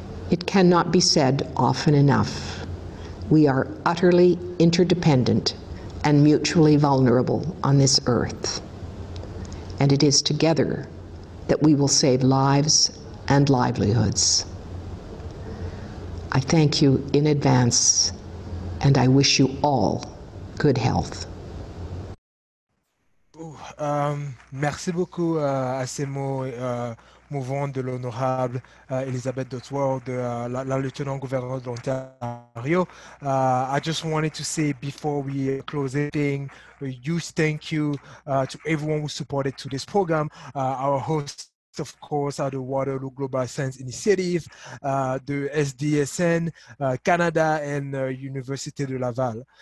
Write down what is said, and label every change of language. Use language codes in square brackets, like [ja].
[en] It cannot be said often enough. We are utterly interdependent and mutually vulnerable on this earth. And it is together that we will save lives and livelihoods. I thank you in advance, and I wish you all good health. [fr] Merci beaucoup à ces mots mouvants de l'honorable Elizabeth Dowdeswell, la lieutenant gouverneure de l'Ontario. [en] I just wanted to say before we close everything, a huge thank you to everyone who supported to this program, our host, of course, are the Waterloo Global Science Initiative, the SDSN, Canada, and Université de Laval.